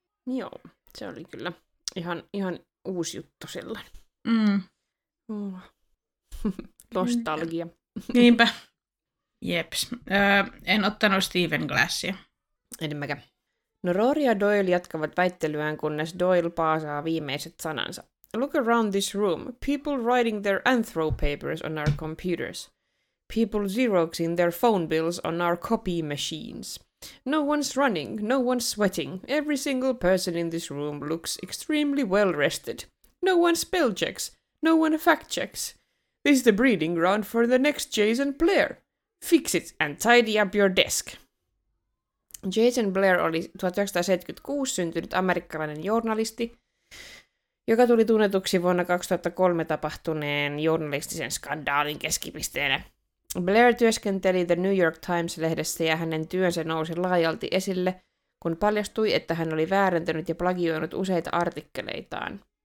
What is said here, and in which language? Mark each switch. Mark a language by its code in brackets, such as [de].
[fi] Joo, se oli kyllä ihan uusi juttu sellainen. Mm. Nostalgia. Niinpä. Jeps. En ottanut Stephen Glassia. En mäkään. No Rory ja Doyle jatkavat väittelyään, kunnes Doyle paasaa viimeiset sanansa. [en] Look around this room. People writing their anthro papers on our computers. People xeroxing their phone bills on our copy machines. No one's running, no one's sweating. Every single person in this room looks extremely well rested. No one spell checks, no one fact checks. This is the breeding ground for the next Jason Blair. Fix it and tidy up your desk. [fi] Jason Blair oli 1976 syntynyt amerikkalainen journalisti, joka tuli tunnetuksi vuonna 2003 tapahtuneen journalistisen skandaalin keskipisteenä. Blair työskenteli The New York Times-lehdessä ja hänen työnsä nousi laajalti esille, kun paljastui, että hän oli väärentänyt ja plagioinut useita artikkeleitaan.